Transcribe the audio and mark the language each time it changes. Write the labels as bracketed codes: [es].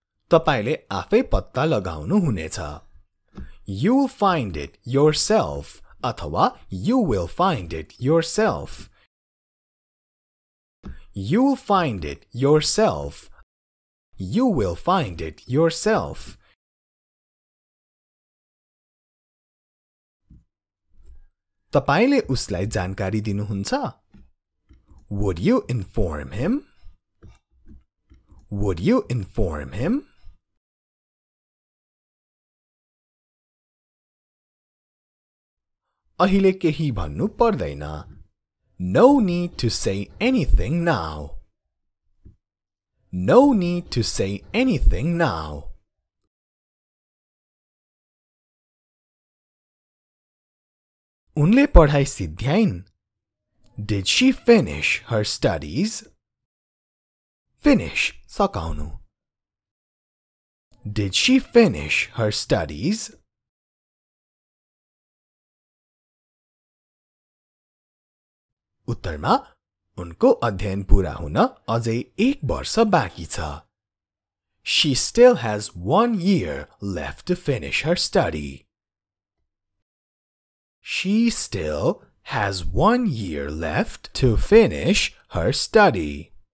[ne] तपाईले आफै पत्ता लगाउनु हुनेछ. [en] You'll find it yourself. अथवा you will find it yourself. You will find it yourself. You will find it yourself. [ne] तपाईले उसलाई जानकारी दिनुहुन्छ? [en] Would you inform him? Would you inform him? [ne] अहिले केही भन्नु पर्दैन. [en] No need to say anything now. No need to say anything now. [ne] उनले पढाइ सिध्याइन. [en] Did she finish her studies? [ne] Finish सकाउनु. [en] Did she finish her studies? [ne] उत्तरमा उनको अध्ययन पूरा हुन अझै एक वर्ष बाँकी छ. [en] She still has 1 year left to finish her study. She still has 1 year left to finish her study.